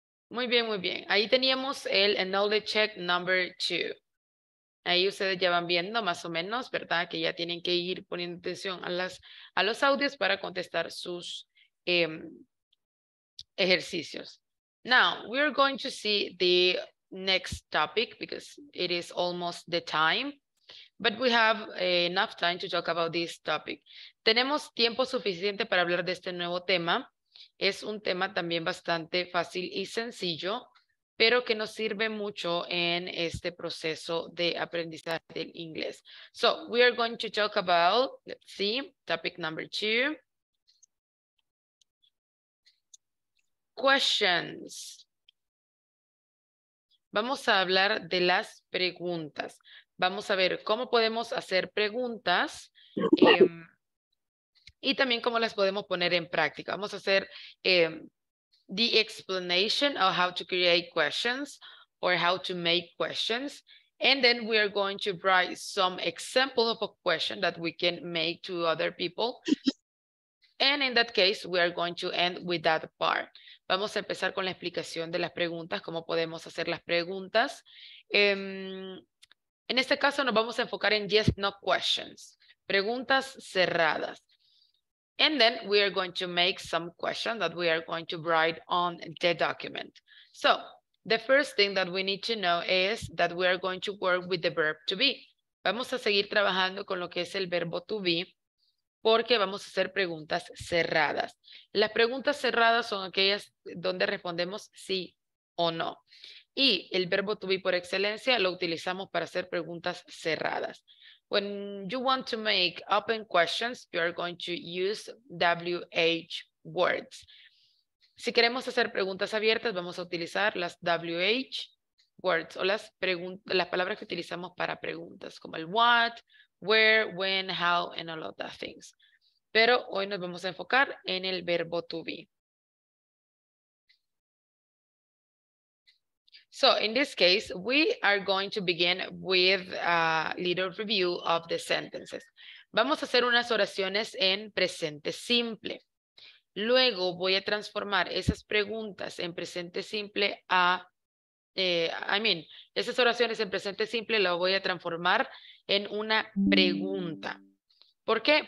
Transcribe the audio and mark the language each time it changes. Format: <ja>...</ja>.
<es>Muy bien, muy bien. Ahí teníamos el</es> <en>knowledge check number 2.</en> <es>Ahí ustedes ya van viendo más o menos, ¿verdad? Que ya tienen que ir poniendo atención a las a los audios para contestar sus ejercicios.</es> <en>Now, we are going to see the next topic because it is almost the time. But we have enough time to talk about this topic.</en> <es>Tenemos tiempo suficiente para hablar de este nuevo tema. Es un tema también bastante fácil y sencillo, pero que nos sirve mucho en este proceso de aprendizaje del inglés.</es> <en>So, we are going to talk about, let's see, topic number two. Questions.</en> <es>Vamos a hablar de las preguntas. Vamos a ver cómo podemos hacer preguntas y también cómo las podemos poner en práctica. Vamos a hacer</es> <en>the explanation of how to create questions or how to make questions. And then we are going to write some example of a question that we can make to other people. And in that case, we are going to end with that part.</en> <es>Vamos a empezar con la explicación de las preguntas, cómo podemos hacer las preguntas. En este caso nos vamos a enfocar en</es> <en>yes, no questions,</en> <es>preguntas cerradas.</es> <en>And then we are going to make some questions that we are going to write on the document. So the first thing that we need to know is that we are going to work with the verb to be.</en> <es>Vamos a seguir trabajando con lo que es el verbo to be porque vamos a hacer preguntas cerradas. Las preguntas cerradas son aquellas donde respondemos sí o no. Y el verbo to be por excelencia lo utilizamos para hacer preguntas cerradas.</es> <en>When you want to make open questions, you are going to use WH words.</en> <es>Si queremos hacer preguntas abiertas, vamos a utilizar las WH words o las palabras que utilizamos para preguntas, como el</es> <en>what, where, when, how, and all of those things.</en> <es>Pero hoy nos vamos a enfocar en el verbo to be.</es> <en>So in this case, we are going to begin with a little review of the sentences.</en> <es>Vamos a hacer unas oraciones en presente simple. Luego voy a transformar esas preguntas en presente simple esas oraciones en presente simple las voy a transformar en una pregunta. ¿Por qué?</es>